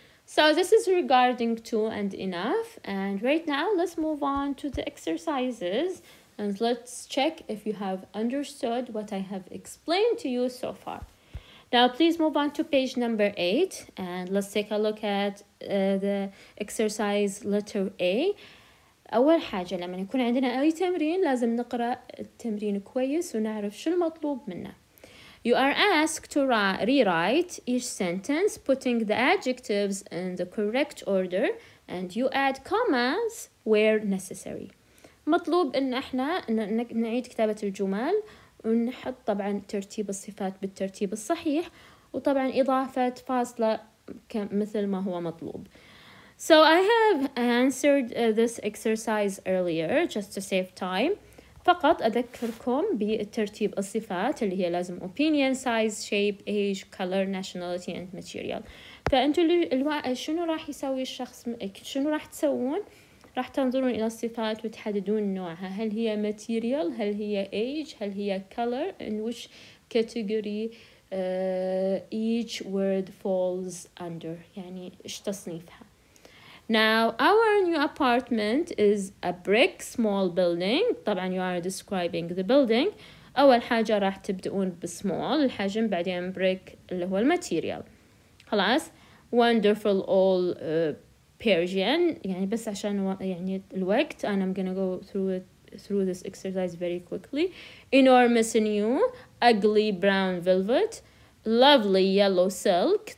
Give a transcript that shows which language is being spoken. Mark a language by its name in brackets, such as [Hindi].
[English] So this is regarding to and enough. And right now, let's move on to the exercises. And let's check if you have understood what I have explained to you so far. Now, please move on to page number 8. And let's take a look at the exercise letter A. [Arabic] أول حاجة لما يكون عندنا أي تمرين لازم نقرأ التمرين كويس ونعرف شو المطلوب منه. [English] You are asked to rewrite each sentence putting the adjectives in the correct order and you add commas where necessary. [Arabic] مطلوب ان احنا نعيد كتابة الجمل ونحط طبعا ترتيب الصفات بالترتيب الصحيح وطبعا اضافة فاصلة مثل ما هو مطلوب. [English] So I have answered this exercise earlier just to save time. [Arabic] فقط أذكركم بالترتيب الصفات اللي هي لازم [English] opinion, size, shape, age, color, nationality, and material. [Arabic] فأنتوا شنو راح يسوي الشخص شنو راح تسوون راح تنظرون إلى الصفات وتحددون نوعها هل هي material هل هي age هل هي color [English] in which category each word falls under [Arabic] يعني إيش تصنيفها. [English] Now, our new apartment is a brick small building. طبعا, you are describing the building. [Arabic] أول حاجة راح تبدؤون بسمول الحجم بعدين brick اللي هو الماتيريال. [English] خلاص, wonderful all Persian. [Arabic] يعني بس عشان يعني الوقت, [English] and I'm gonna go through this exercise very quickly. Enormous new, ugly brown velvet, lovely yellow silk.